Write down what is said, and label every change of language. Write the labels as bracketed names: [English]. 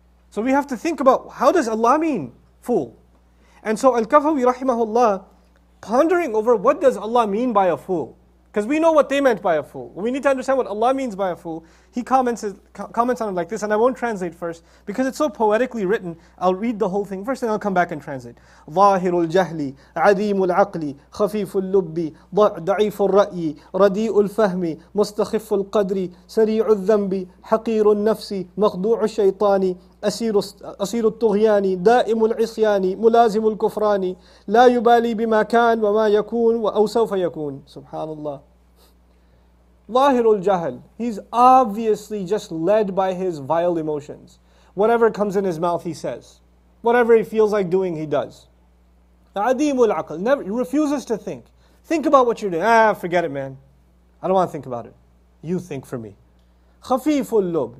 [English] So we have to think about, how does Allah mean fool? And so Al-Kahfawi rahimahullah, pondering over what does Allah mean by a fool? Because we know what they meant by a fool. We need to understand what Allah means by a fool. He comments on it like this, and I won't translate first, because it's so poetically written. I'll read the whole thing first, and I'll come back and translate. [Arabic] ظاهر الجهل عظيم العقل خفيف اللب ضعيف الرأي رديء الفهم مستخف القدر سريع الذنب حقير النفس مخدوع الشيطان أسير الطغيان دائم العصيان ملازم الكفران لا يبالي بما كان وما يكون أو سوف يكون. سبحان الله. Lahirul Jahl. [English] He's obviously just led by his vile emotions. Whatever comes in his mouth, he says. Whatever he feels like doing, he does. [Arabic] Adimul Aql. [English] Never refuses to think. Think about what you're doing. Forget it, man. I don't want to think about it. You think for me. [Arabic] Khafiful Lub.